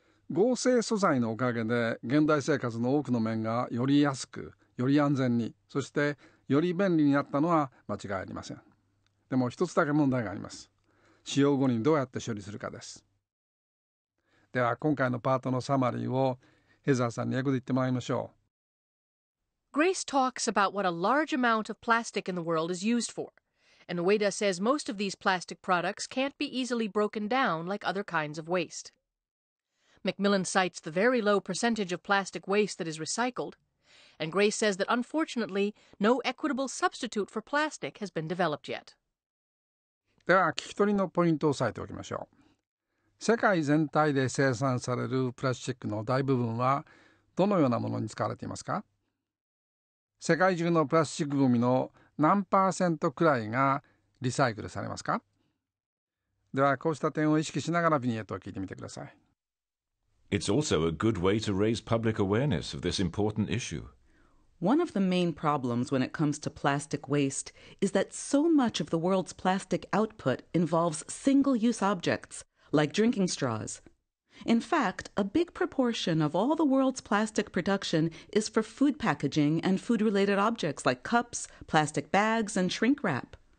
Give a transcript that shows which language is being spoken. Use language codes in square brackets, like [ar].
[ja] 合成素材のおかげで現代生活の多くの面がより安く、より安全に、そしてより便利になったのは間違いありません。でも一つだけ問題があります。使用後にどうやって処理するかです。では今回のパートのサマリーをヘザーさんに英語で言ってもらいましょう。 [en] Grace talks about what a large amount of plastic in the world is used for. And Ueda says most of these plastic products can't be easily broken down like other kinds of waste. Macmillan cites the very low percentage of plastic waste that is recycled. And Grace says that unfortunately, no equitable substitute for plastic has been developed yet. [ja] では聞き取りのポイントを押さえておきましょう。世界全体で生産されるプラスチックの大部分はどのようなものに使われていますか？世界中のプラスチックゴミの何パーセントくらいがリサイクルされますか？ではこうした点を意識しながらビニエットを聞いてみてください。 [en] It's also a good way to raise public awareness of this important issue. One of the main problems when it comes to plastic waste is that so much of the world's plastic output involves single-use objects, like drinking straws. In fact, a big proportion of all the world's plastic production is for food packaging and food-related objects like cups, plastic bags, and shrink wrap.